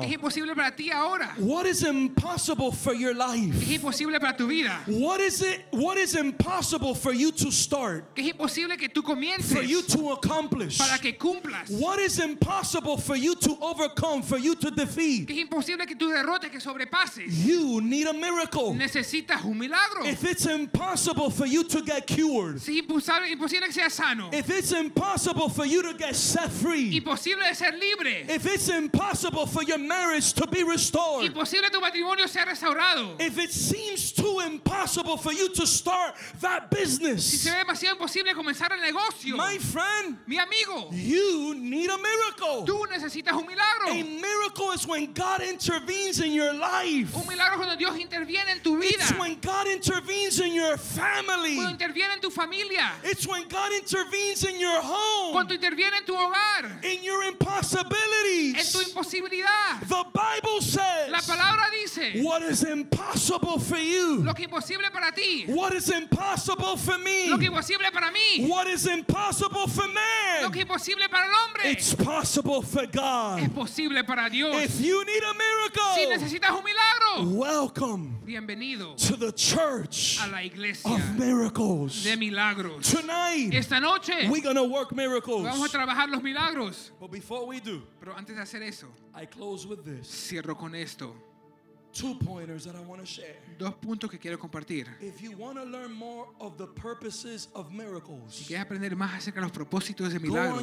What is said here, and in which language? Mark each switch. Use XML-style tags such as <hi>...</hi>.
<es>¿Qué es imposible para ti ahora?</es> <en>What is impossible for your life?</en> <es>¿Qué es imposible para tu vida?</es> <en>What is impossible for you to start?</en> <es>¿Qué es imposible que tú comiences?</es> <en>For you to accomplish.</en> <es>Para que cumplas.</es> <en>What is impossible for you to overcome, for you to defeat?</en> <es>¿Qué es imposible que tú derrotes, que sobrepases?</es> <en>You need a miracle.</en> <es>Necesitas un milagro.</es> <en>If it's impossible for you to get cured.</en> <es>Si es imposible que seas sano.</es> <en>If it's impossible for you to get set free.</en> <es>Imposible de ser libre.</es> <en>If it's impossible for your marriage to be restored.</en> <es>Imposible tu matrimonio sea restaurado.</es> <en>If it seems too impossible for you to start that business.</en> <es>Si se ve demasiado imposible comenzar el negocio.</es> <en>My friend,</en> <es>mi amigo,</es> <en>you need a miracle.</en> <es>Tú necesitas un milagro.</es> <en>A miracle is when God intervenes in your life.</en> <es>Un milagro cuando Dios interviene en tu vida.</es> <en>It's when God intervenes in your family.</en> <es>Cuando interviene en tu familia.</es> <en>It's when God intervenes in your home.</en> <es>Cuando interviene en tu hogar.</es> <en>In your impossibilities.</en> <es>En tu imposibilidad.</es> <en>The Bible says.</en> <es>La palabra dice.</es> <en>What is impossible for you?</en> <es>Lo que imposible para ti.</es> <en>What is impossible for me?</en> <es>Lo que imposible para mí.</es> <en>What is impossible for man?</en> <es>Lo que imposible para el hombre.</es> <en>It's possible for God.</en> <es>Es posible para Dios.</es> <en>If you need a miracle.</en> <es>Si necesitas un milagro.</es> <en>Welcome.</en> <es>Bienvenido.</es> <en>To the church.</en> <es>A la iglesia.</es> <en>Of miracles.</en> <es>De milagros.</es> <en>Tonight.</en> <es>Esta noche.</es> <en>We're gonna work miracles.</en> <es>Vamos a trabajar los milagros.</es> <en>But before we do.</en> <es>Pero antes de hacer eso.</es> <en>I close with this.</en> <es>Cierro con esto.</es> <en>Two pointers that I want to share.</en> <es>Dos puntos que quiero compartir.</es> <en>If you want to learn more of the purposes of miracles.</en> <es>Si quieres aprender más acerca de los propósitos de milagros.</es>